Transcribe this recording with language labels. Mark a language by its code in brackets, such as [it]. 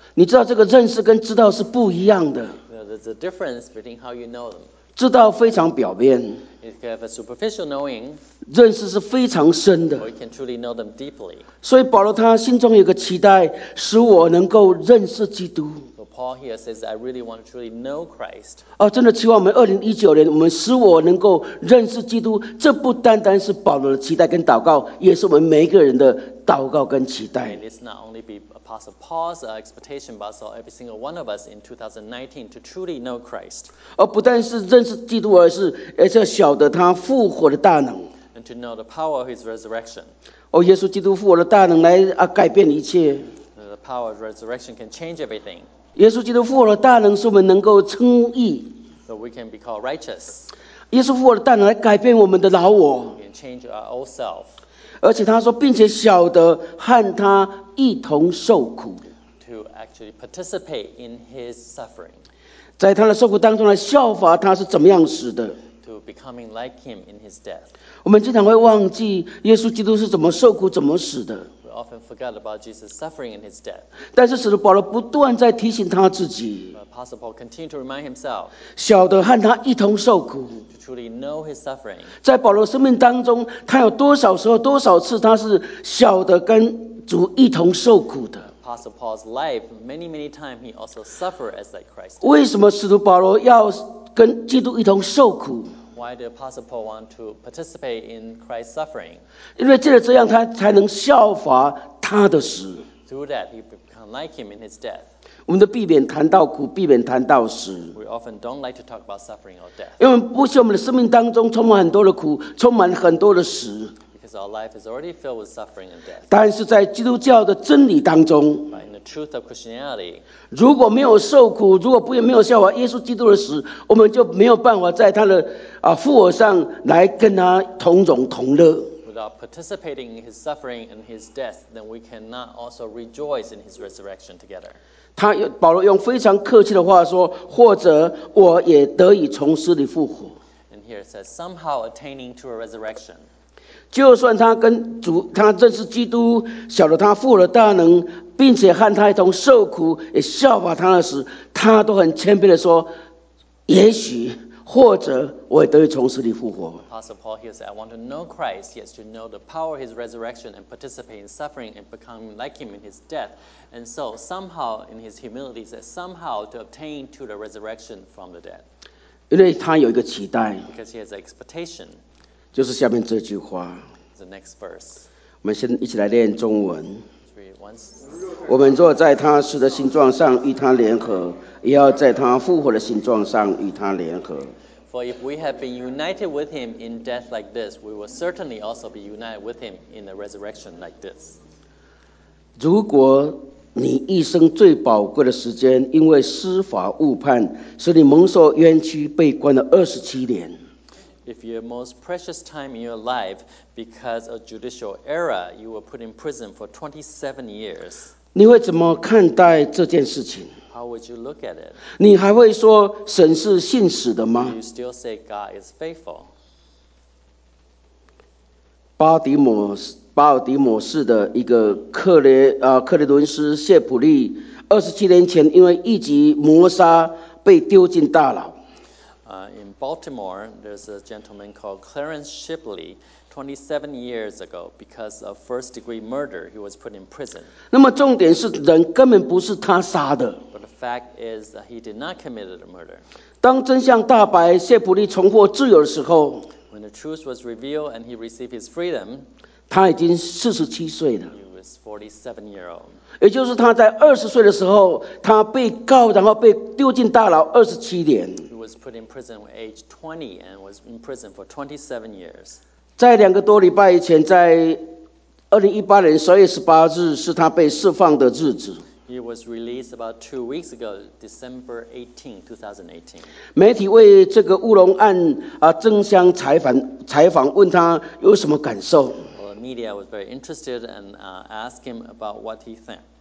[zh] 你知道这个认识跟知道是不一样的。 [en] There's a difference between how you know them. [zh] 知道非常表面。 [en] If you have a superficial knowing, [zh] 认识是非常深的。 [en] We can truly know them deeply. [zh] 所以保罗他心中有个期待，使我能够认识基督。 [en] So Paul here says, I really want to truly know Christ. [zh] 真的期望我们2019年，我们使我能够认识基督。这不单单是保罗的期待跟祷告，也是我们每一个人的祷告跟期待。 [en] And it's not only be Apostle Paul's expectation, but also every single one of us in 2019 to truly know Christ. [zh] 不但是认识基督，而是晓得他复活的大能。 [en] And to know the power of his resurrection. [zh] 耶稣基督复活的大能来改变一切。 [en] The power of resurrection can change everything. [zh] 耶稣基督复活的大能是我们能够称义。 [en] So we can be called righteous. [zh] 耶稣复活的大能来改变我们的老我。 [en] We can change our old self. [zh] 而且他说，并且晓得和他一同受苦。 [en] To actually participate in his suffering. [zh] 在他的受苦当中来效法他是怎么样死的。 [en] To becoming like him in his death. [zh] 我们经常会忘记耶稣基督是怎么受苦、怎么死的。 [en] We often forget about Jesus suffering in his death. [zh] 但是使徒保罗不断在提醒他自己。 [en] Apostle Paul continued to remind himself. [zh] 晓得和他一同受苦。 [en] Truly know his suffering. [zh] 在保罗生命当中，他有多少时候、多少次，他是晓得跟主一同受苦的。 [en] Apostle Paul's life, many times he also suffered as like Christ. [zh] 为什么使徒保罗要跟基督一同受苦？ [en] Why did Apostle Paul want to participate in Christ's suffering? [zh] 因为借着这样，他才能效法他的死。 [en] Through that, he became like him in his death. [zh] 我们都避免谈到苦，避免谈到死。 [en] We often don't like to talk about suffering or death. [zh] 因为不希望我们的生命当中充满很多的苦，充满很多的死。 [en] because our life is already filled with suffering and death. [zh] 但是在基督教的真理当中 [en] But in the truth of Christianity, [zh] 如果没有受苦，如果不也没有效法耶稣基督的死，我们就没有办法在他的复活上来跟他同荣同乐。 [en] Without participating in his suffering and his death, then we cannot also rejoice in his resurrection together. [zh] 他保罗用非常客气的话说，或者我也得以从死里复活。 [en] And here it says, somehow attaining to a resurrection. [zh] 就算他跟主，他认识基督，晓得他复活的大能，并且和他一同受苦，也效法他的死，他都很谦卑的说，也许。或者我也得以从死里复活。 [en] Apostle Paul here said, "I want to know Christ, yes, to know the power of His resurrection and participate in suffering and become like Him in His death." And so, somehow, in His humility, says somehow to obtain to the resurrection from the dead. [zh] 因为他有一个期待。 [en] Because he has an expectation. [zh] 就是下面这句话。 [en] The next verse. [zh] 我们先一起来练中文。我们若在他死的形状上与他联合，也要在他复活的形状上与他联合。 [en] For if we have been united with him in death like this, we will certainly also be united with him in the resurrection like this. [zh] 如果你一生最宝贵的时间因为司法误判，使你蒙受冤屈，被关了27年。 [en] If your most precious time in your life, because of judicial error, you were put in prison for 27 years. [zh] 你会怎么看待这件事情？ [en] How would you look at it? [zh] 你还会说神是信使的吗？ [en] Do you still say God is faithful? [zh] 巴尔的摩市的一个克雷顿斯谢普利，27年前因为一级谋杀被丢进大牢。 [en] In Baltimore, there's a gentleman called Clarence Shipley. 27 years ago, because of first-degree murder, he was put in prison. [zh] 那么重点是人根本不是他杀的。 [en] But the fact is that he did not commit the murder. [zh] 当真相大白，谢普利重获自由的时候 [en] ，When the truth was revealed and he received his freedom, [zh] 他已经47岁了。 [en] He was 47 years old. [zh] 也就是他在20岁的时候，他被告，然后被丢进大牢27年。 [en] Was put in prison at age 20 and was in prison for 27 years. [zh] 在两个多礼拜以前，在2018年12月18日是他被释放的日子。 [en] He was released about 2 weeks ago, December 18, 2018. [zh] 媒体为这个乌龙案争相采访，问他有什么感受。 [en] Well, the media was very interested and asked him about what he thought.